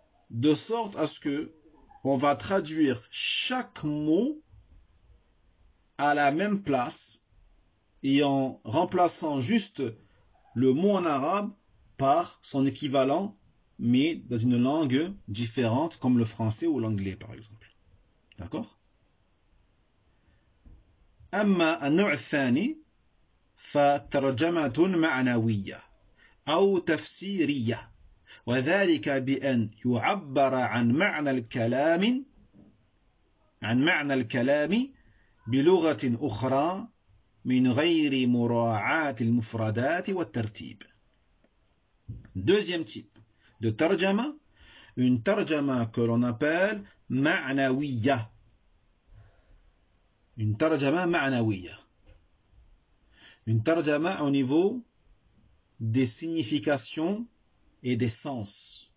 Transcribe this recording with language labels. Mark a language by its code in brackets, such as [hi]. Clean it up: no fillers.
[fr] De sorte à ce que on va traduire chaque mot à la même place et en remplaçant juste le mot en arabe par son équivalent, mais dans une langue différente comme le français ou l'anglais, par exemple. D'accord? [ar] أما النوع الثاني فترجمة معنوية أو تفسيرية وذلك بأن يعبر عن معنى الكلام عن معنى الكلام بلغة أخرى من غير مراعاة المفردات والترتيب. [fr] Deuxième type de tarjama, une tarjama que l'on appelle ma'nawiya. Une tarjama ma'nawiya. Une tarjama au niveau des significations et des sens.